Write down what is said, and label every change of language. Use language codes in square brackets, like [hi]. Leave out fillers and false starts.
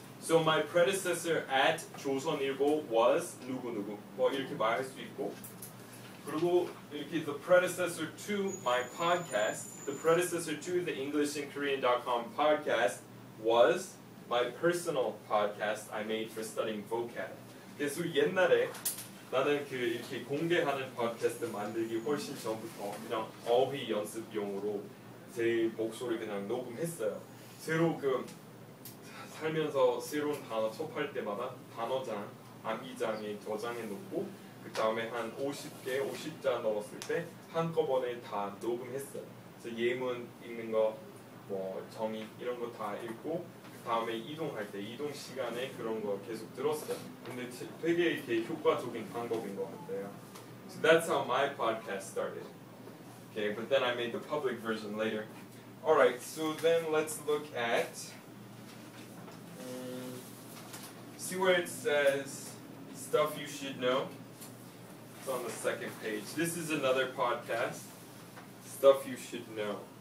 [en] So my predecessor at 조선일보 was [ko] 누구누구. 뭐 이렇게 말할 수 있고. 그리고 이렇게 [en] the predecessor to my podcast, the predecessor to the EnglishinKorean.com podcast was my personal podcast I made for studying vocab. [ko] 그래서 옛날에 나는 그 이렇게 공개하는 팟캐스트 만들기 훨씬 전부터 그냥 어휘 연습용으로 제 목소리 그냥 녹음했어요. 새로 그 살면서 새로운 단어 접할 때마다 단어장 암기장에 저장해 놓고 그 다음에 한 50개 50자 넣었을 때 한꺼번에 다 녹음했어요. 그래서 예문 읽는 거 뭐 정의 이런 거 다 읽고 그 다음에 이동할 때 이동 시간에 그런 거 계속 들었어요. 근데 되게 이렇게 효과적인 방법인 것 같아요. [en] So that's how my podcast started. Okay, but then I made the public version later. All right, so then let's look at, see where it says, stuff you should know. It's on the second page. This is another podcast, stuff you should know.